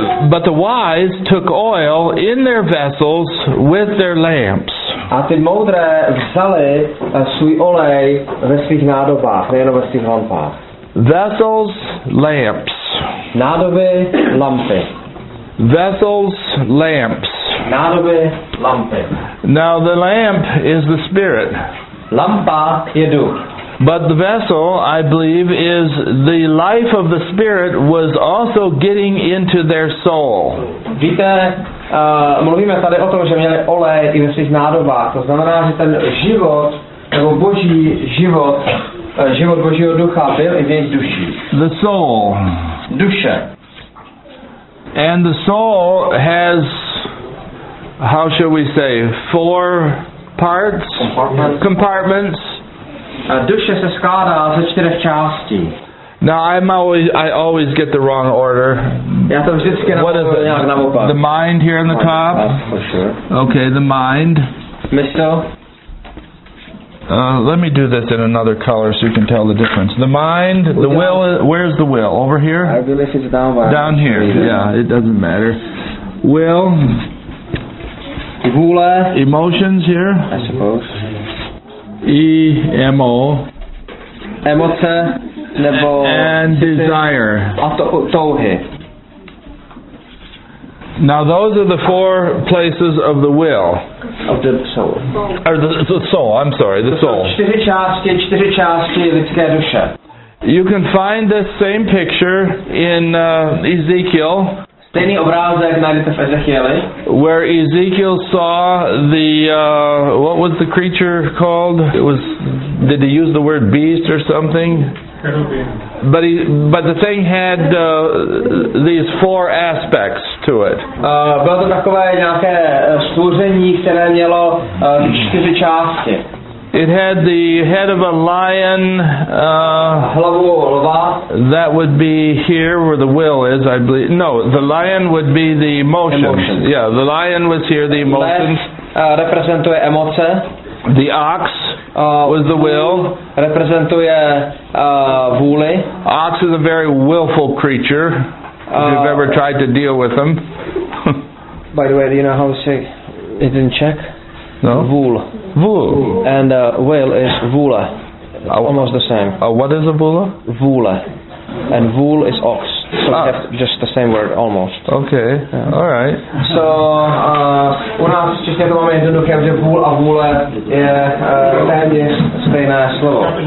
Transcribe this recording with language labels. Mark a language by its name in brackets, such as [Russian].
[English] But the wise took oil in their vessels with their lamps. [Czech] A ty moudré vzali svůj olej ve svých nádobách, nejen ve svých lampách. [English] Vessels, lamps. [Czech] Nádoby, lampy. [English] Vessels, lamps. [Czech] Nádoby, lampy. [English] Now the lamp is the spirit. [Czech] Lampa je duch. [English] But the vessel, I believe, is the life of the spirit was also getting into their soul. [Czech] Víte, mluvíme tady o tom, že měli olej i ve svých nádobách. To znamená, že ten život, nebo boží život, život božího ducha byl i v jejich duši. [English] The soul. [Czech] Duše. [English] And the soul has, how shall we say, four parts? Compartments. [Czech] A duše se skládá ze čtyřech částí. [English] Now I always get the wrong order. [Czech] Já to vždycky nějak naopak. [English] The mind here on the top. Okay, the mind. [Czech] Mysl. [English] Let me do this in another color so you can tell the difference. The mind, the will. Where's the will? Over here. I believe it's down by. Down here. Yeah, it doesn't matter. Will. [Czech] Vůle. [English] Emotions here. I suppose. E-M-O. [Czech] Emoce, nebo... [English] And desire. [Czech] A touhy. [English] Now those are the four places of the will. Of the soul. Or the soul, I'm sorry, the soul. [Czech] Čtyři části lidské duše. [English] You can find this same picture in Ezekiel. [Czech] Stejný obrázek najdete v Ezechieli. [English] Where Ezekiel saw the what was the creature called? It was, did he use the word beast or something? But the thing had these four aspects to it. [Czech] Bylo to takové nějaké stvoření, které mělo čtyři části. [English] It had the head of a lion, [Czech] hlavu lva. [English] That would be here where the will is, I believe. No, the lion would be the emotions. Yeah, the lion was here, the emotions. [Czech] Reprezentuje emoce. [English] The ox was the will. [Czech] Reprezentuje vůli. [English] Ox is a very willful creature, if you've ever tried to deal with him. By the way, do you know how to say it in Czech? No. [Czech] Vůl. Vůl. [English] And whale is vůle. Almost the same. What is a vůle? Vůle. And vůl is ox. So we have just the same word, almost. Okay, yeah. All right. [Czech] So, u nás v Česku máme jednoduché, že vůl a vůle je stejné slovo.